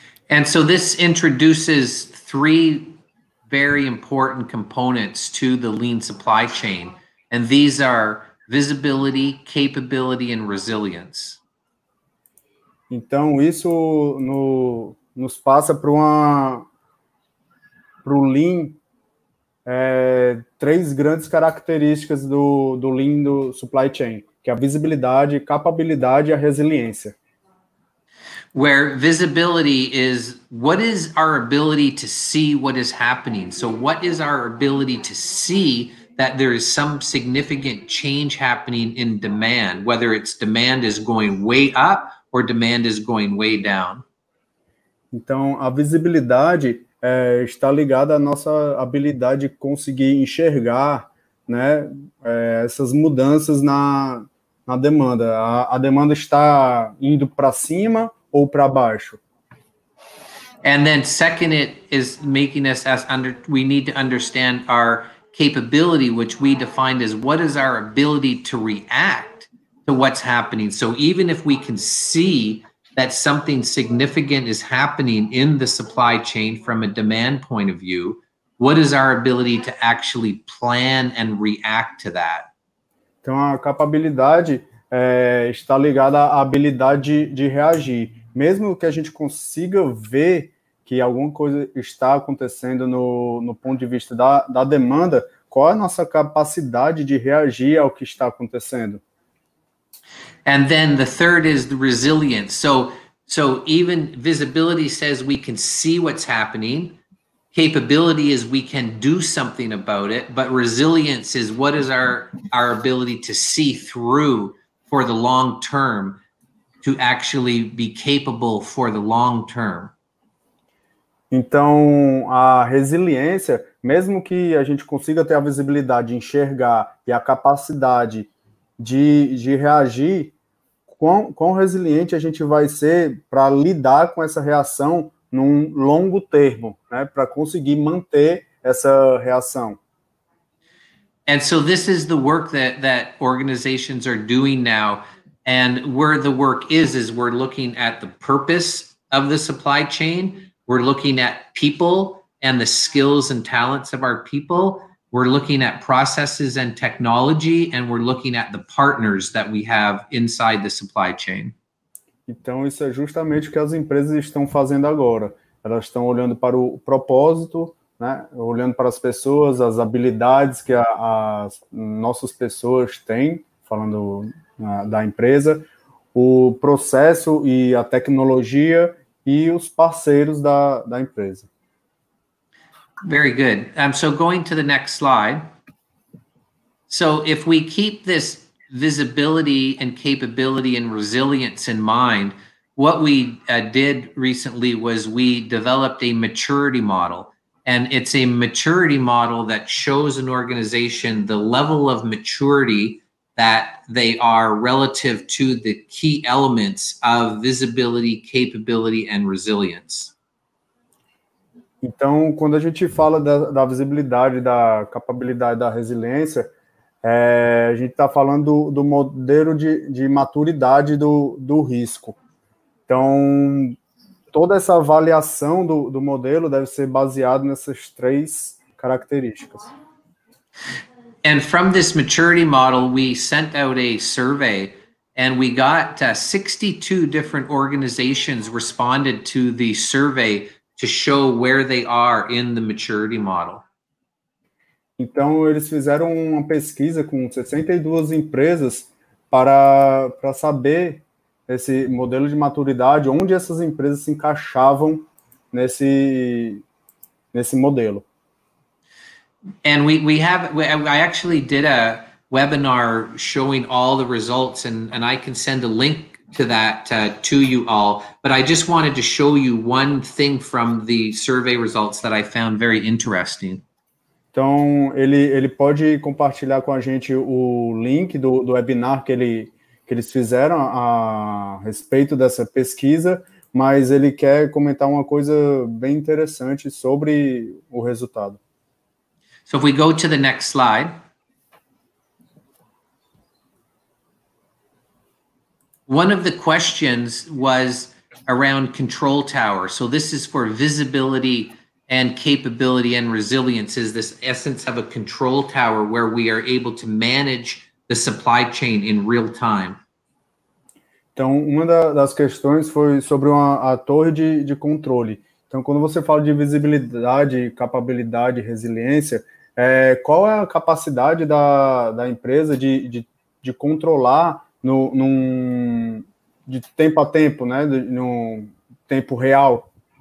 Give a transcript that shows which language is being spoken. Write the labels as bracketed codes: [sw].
[en] And so this introduces three very important components to the lean supply chain, and these are visibility, capability, and resilience. [pt] Então, isso nos passa para o Lean, três grandes características do Lean do supply chain, que é a visibilidade, capacidade e a resiliência. [en] Where visibility is, what is our ability to see what is happening? So what is our ability to see that there is some significant change happening in demand, whether it's demand is going way up or demand is going way down? [pt] Então, a visibilidade está ligada à nossa habilidade de conseguir enxergar, né, essas mudanças na demanda. A demanda está indo para cima ou para baixo. [en] And then second, it is making us we need to understand our capability, which we defined as what is our ability to react to what's happening. So even if we can see that something significant is happening in the supply chain from a demand point of view, what is our ability to actually plan and react to that? [pt] Então, a capacidade está ligada à habilidade de reagir. Mesmo que a gente consiga ver que alguma coisa está acontecendo no ponto de vista da demanda, qual é a nossa capacidade de reagir ao que está acontecendo? [en] And then the third is the resilience. So even visibility says we can see what's happening. Capability is we can do something about it. But resilience is what is our ability to see through for the long term, to actually be capable for the long term. [pt] Então, a resiliência, mesmo que a gente consiga ter a visibilidade, enxergar e a capacidade de reagir, quão resiliente a gente vai ser para lidar com essa reação num longo termo, né, para conseguir manter essa reação. [en] And so this is the work that organizations are doing now, and where the work is we're looking at the purpose of the supply chain, we're looking at people and the skills and talents of our people, we're looking at processes and technology, and we're looking at the partners that we have inside the supply chain. [pt] Então, isso é justamente o que as empresas estão fazendo agora. Elas estão olhando para o propósito, né? Olhando para as pessoas, as habilidades que as nossas pessoas têm, falando da empresa, o processo e a tecnologia e os parceiros da empresa. [en] Very good. So going to the next slide. So if we keep this visibility and capability and resilience in mind, what we did recently was we developed a maturity model, and it's a maturity model that shows an organization the level of maturity that they are relative to the key elements of visibility, capability, and resilience. [pt] Então, quando a gente fala da visibilidade, da capacidade, da resiliência, a gente está falando do modelo de maturidade do risco. Então, toda essa avaliação do modelo deve ser baseada nessas três características. [en] And from this maturity model, we sent out a survey, and we got 62 different organizations responded to the survey to show where they are in the maturity model. [pt] Então, eles fizeram uma pesquisa com 62 empresas para saber esse modelo de maturidade, onde essas empresas se encaixavam nesse modelo. [en] And I actually did a webinar showing all the results, and I can send a link to that to you all, but I just wanted to show you one thing from the survey results that I found very interesting. [pt] Então, ele pode compartilhar com a gente o link do webinar que eles fizeram a respeito dessa pesquisa, mas ele quer comentar uma coisa bem interessante sobre o resultado. [en] So if we go to the next slide. One of the questions was around control tower. So this is for visibility and capability and resilience, is this essence of a control tower where we are able to manage the supply chain in real time. [pt] Então, uma das questões foi sobre a torre de controle. Então, quando você fala de visibilidade, capacidade, resiliência, qual é a capacidade da empresa de controlar de tempo a tempo, né, num tempo real?